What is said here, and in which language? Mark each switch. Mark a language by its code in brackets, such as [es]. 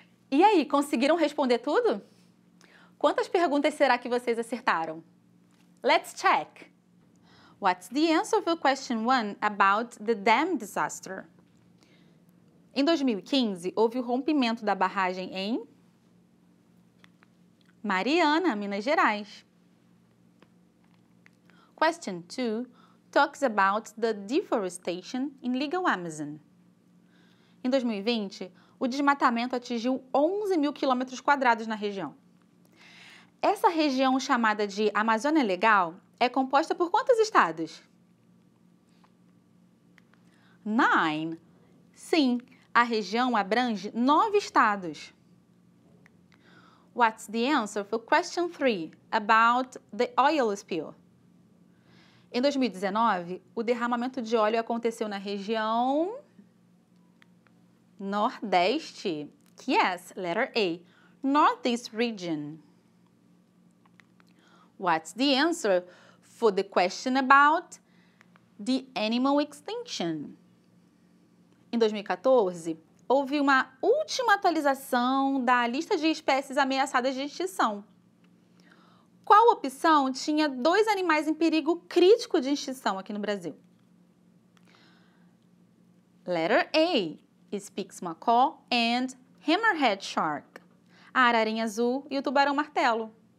[pt] E aí, conseguiram responder tudo? Quantas perguntas será que vocês acertaram? [en] Let's check. What's the answer for question 1 about the dam disaster? [pt] Em 2015, houve o rompimento da barragem em Mariana, Minas Gerais. [en] Question 2 talks about the deforestation in legal Amazon. [pt] Em 2020, o desmatamento atingiu 11 mil quilômetros quadrados na região. Essa região chamada de Amazônia Legal é composta por quantos estados? 9. Sim, a região abrange 9 estados. [en] What's the answer for question 3 about the oil spill? [pt] Em 2019, o derramamento de óleo aconteceu na região Nordeste. [en] Yes, letter A, Northeast region. What's the answer for the question about the animal extinction? [pt] Em 2014, houve uma última atualização da lista de espécies ameaçadas de extinção. Qual opção tinha 2 animais em perigo crítico de extinção aqui no Brasil? [en] Letter A, Speaks Macaw and Hammerhead Shark, [pt] a ararinha azul e o tubarão martelo.